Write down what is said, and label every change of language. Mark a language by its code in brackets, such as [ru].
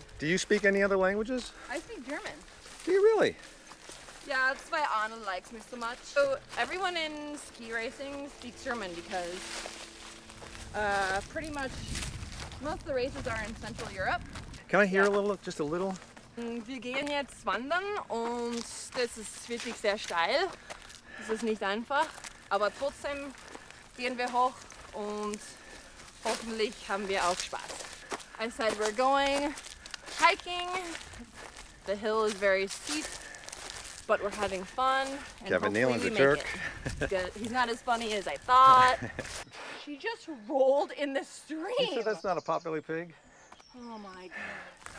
[en] do you speak any other languages? I speak German. Do you really? Yeah, that's why Anna likes me so much. So everyone in ski racing speaks German because pretty much most of the races are in Central Europe. Can I hear a little, just a little? [de] Wir gehen jetzt wandern und das ist wirklich sehr steil. Das ist nicht einfach, aber trotzdem gehen wir hoch und hoffentlich haben wir auch Spaß. [en] I said we're going hiking. The hill is very steep, but we're having fun. Kevin Nealon's a jerk. He's not as funny as I thought. She just rolled in the stream. You sure that's not a potbelly pig? Oh my God.